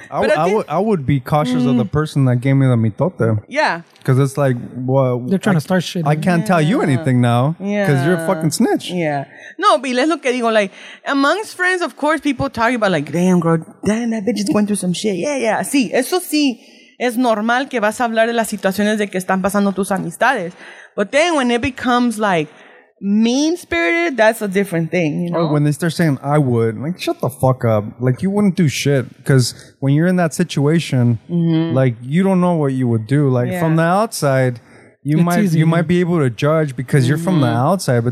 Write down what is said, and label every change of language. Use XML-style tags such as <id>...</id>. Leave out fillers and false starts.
<en>I would be cautious of the person that gave me the mitote. Yeah. Because it's like, well... They're trying to start shit. I can't tell you anything now. Yeah. Because you're a fucking snitch. Yeah. No, but let's look at it. Like, amongst friends, of course, people talk about, like, damn, girl, damn, that bitch just went through some shit. Yeah, yeah.</en> <es>Sí, eso sí. Es normal que vas a hablar de las situaciones de que están pasando tus amistades.</es> <en>But then when it becomes, like... mean-spirited, that's a different thing, you know? Or when they start saying, I would, like, shut the fuck up. Like, you wouldn't do shit. Because when you're in that situation, like, you don't know what you would do. Like, from the outside, you might be able to judge because you're from the outside.</en>